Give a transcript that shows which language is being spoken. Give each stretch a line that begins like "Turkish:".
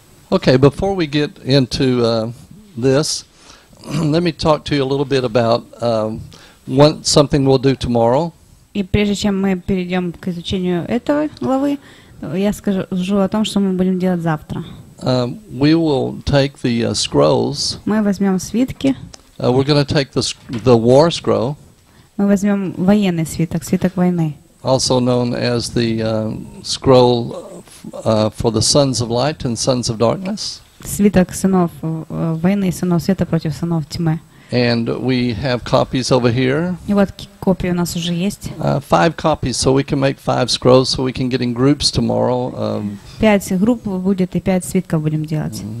English: Okay, before we get into this, let me talk to you a little bit about something we'll do tomorrow.
Russian: И прежде чем мы перейдем к изучению этой главы, я скажу о том, что мы будем делать завтра.
English: We will take the scrolls.
Russian: Мы возьмем свитки.
English: We're going to take the war scroll.
Russian: Мы возьмем военный свиток, свиток войны.
English: Also known as the scroll for the sons of light and sons of darkness.
Russian: Свиток сынов войны, сынов света против сынов тьмы.
English: And we have copies over here.
Russian: И вот копии у нас уже есть.
English: Five copies, so we can make five scrolls, so we can get in groups tomorrow.
Russian: Пять групп будет и пять свитков будем делать.